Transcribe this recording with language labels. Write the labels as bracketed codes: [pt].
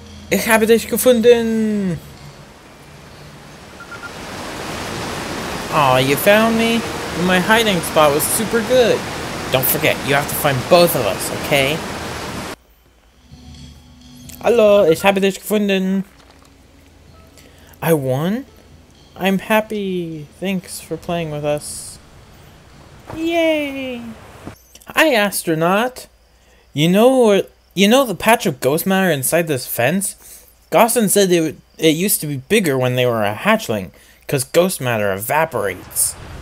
[de] Ich habe dich gefunden! [en] Aw, you found me? My hiding spot was super good! Don't forget, you have to find both of us, okay? [de] Hallo, ich habe dich gefunden! [en] I won? I'm happy! Thanks for playing with us! Yay! Hi, astronaut! You know the patch of ghost matter inside this fence? Gossen said it used to be bigger when they were a hatchling, because ghost matter evaporates.